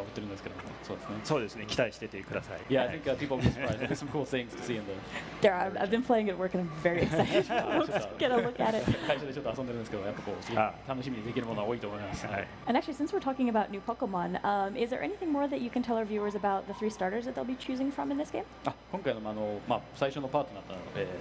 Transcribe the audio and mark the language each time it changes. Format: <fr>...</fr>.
<ja>そうですね、陸地と繋がってないので、他の大陸と繋がってないので、やっぱこういろんな変わった生命がたくさん登場するんじゃないかなっていうふうに思ってるんですけど、そうですね。そうですね、期待してて下さい。</ja> <en>Yeah, I think people will be surprised. There's some cool things to see in there. There are. I've been playing it at work and I'm very excited to get a look at it.</en> <ja>会社でちょっと遊んでるんですけど、やっぱこう楽しみにできるものは多いと思います。</ja> <en>And actually, since we're talking about new Pokemon, is there anything more that you can tell our viewers about the three starters that they'll be choosing from in this game?</en> <ja>あ、今回のまあ最初のパートナー</ja>